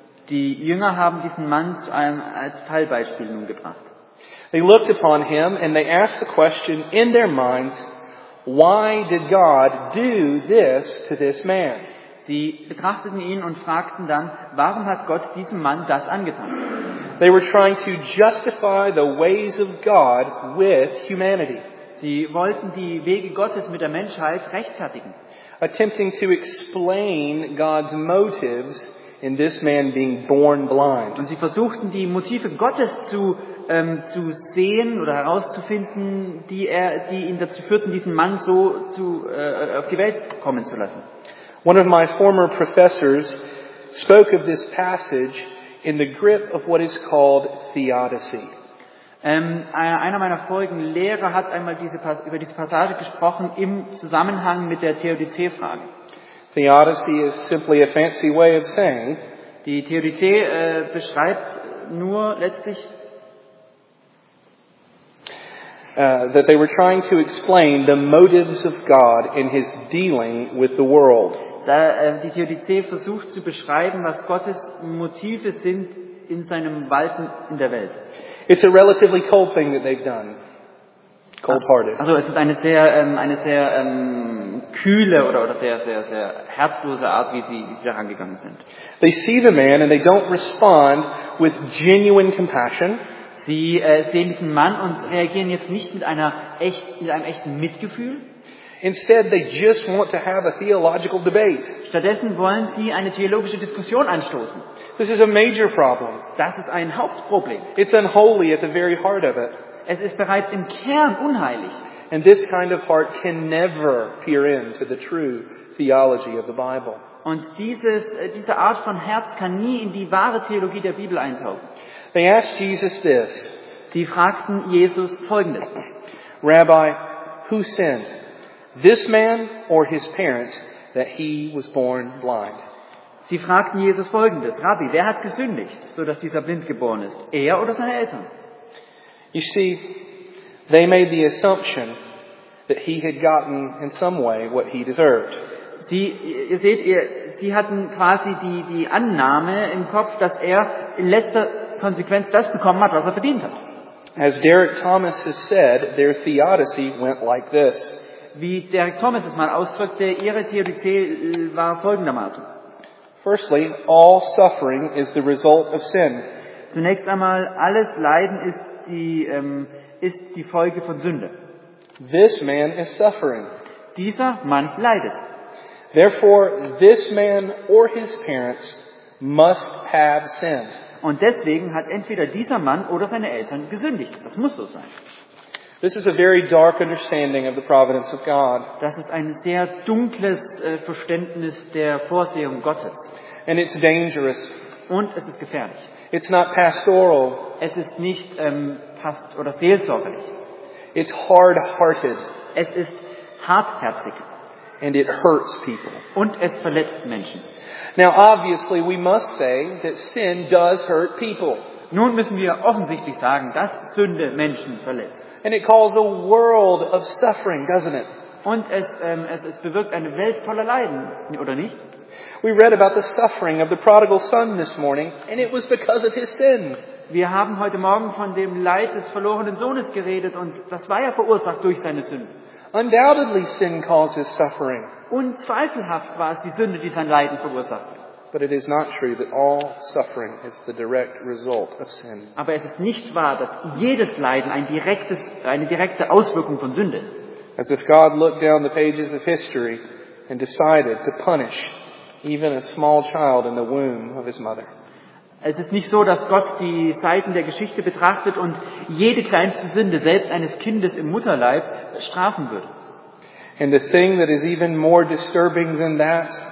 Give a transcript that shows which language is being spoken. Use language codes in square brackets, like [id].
[de] Die Jünger haben diesen Mann als Fallbeispiel nun gebracht. [en] They looked upon him and they asked the question in their minds, why did God do this to this man? [de] Sie betrachteten ihn und fragten dann, warum hat Gott diesem Mann das angetan? [en] They were trying to justify the ways of God with humanity. [de] Sie wollten die Wege Gottes mit der Menschheit rechtfertigen. [en] Attempting to explain God's motives in this man being born blind. [de] Und sie versuchten die Motive Gottes zu sehen oder herauszufinden, die ihn dazu führten, diesen Mann so auf die Welt kommen zu lassen. [en] One of my former professors spoke of this passage in the grip of what is called theodicy. [de] Einer meiner vorigen Lehrer hat einmal über diese Passage gesprochen im Zusammenhang mit der Theodizee-Frage. [en] Theodicy is simply a fancy way of saying. [de] Die Theodizee beschreibt nur letztlich, [en] that they were trying to explain the motives of God in his dealing with the world. [de] Die Theodizee versucht zu beschreiben, was Gottes Motive sind in seinem Walten in der Welt. [en] It's a relatively cold thing that they've done. Cold-hearted. [de] Also es ist eine sehr kühle oder sehr herzlose Art, wie sie da rangegangen sind. [en] They see the man and they don't respond with genuine compassion. [de] Sie sehen diesen Mann und reagieren jetzt nicht mit einem echten Mitgefühl. [en] Instead, they just want to have a theological debate. [de] Stattdessen wollen sie eine theologische Diskussion anstoßen. [en] This is a major problem. [de] Das ist ein Hauptproblem. [en] It's unholy at the very heart of it. [de] Es ist bereits im Kern unheilig. [en] And this kind of heart can never peer into the true theology of the Bible. [de] Und diese Art von Herz kann nie in die wahre Theologie der Bibel eintauchen. [en] They asked Jesus this. [de] Sie fragten Jesus Folgendes. [en] Rabbi, who sinned? This man or his parents, that he was born blind? [de] Sie fragten Jesus Folgendes. Rabbi, wer hat gesündigt, sodass dieser blind geboren ist? Er oder seine Eltern? [en] You see, they made the assumption that he had gotten in some way what he deserved. [de] Sie hatten quasi die Annahme im Kopf, dass er in letzter Konsequenz das bekommen hat, was er verdient hat. [en] As Derek Thomas has said, their theodicy went like this. [de] Wie Derek Thomas es mal ausdrückte, ihre Theodizee war folgendermaßen. [en] Firstly, all suffering is the result of sin. [de] Zunächst einmal, alles Leiden ist die Folge von Sünde. [en] This man is suffering. [de] Dieser Mann leidet. [en] Therefore, this man or his parents must have sinned. [de] Und deswegen hat entweder dieser Mann oder seine Eltern gesündigt. Das muss so sein. [en] This is a very dark understanding of the providence of God. [de] Das ist ein sehr dunkles Verständnis der Vorsehung Gottes. [en] And it's dangerous. [de] Und es ist gefährlich. [en] It's not pastoral. [de] Es ist nicht oder seelsorgerlich. [en] It's hard-hearted. [de] Es ist hartherzig. [en] And it hurts people. [de] Und es verletzt Menschen. [en] Now obviously we must say that sin does hurt people. [de] Nun müssen wir offensichtlich sagen, dass Sünde Menschen verletzt. [en] And it calls a world of suffering, doesn't it? [de] Und es bewirkt eine Welt voller Leiden, oder nicht? [en] We read about the suffering of the prodigal son this morning, and it was because of his sin. [de] Wir haben heute Morgen von dem Leid des verlorenen Sohnes geredet, und das war ja verursacht durch seine Sünde. [en] Undoubtedly, sin causes suffering. [de] Unzweifelhaft war es die Sünde, die sein Leiden verursacht. [en] But it is not true that all suffering is the direct result of sin. [de] Aber es ist nicht wahr, dass jedes Leiden eine direkte Auswirkung von Sünde ist. [en] As if God looked down the pages of history and decided to punish even a small child in the womb of his mother. [de] Es ist nicht so, dass Gott die Seiten der Geschichte betrachtet und jede kleinste Sünde, selbst eines Kindes im Mutterleib, strafen würde. [en] And the thing that is even more disturbing than that.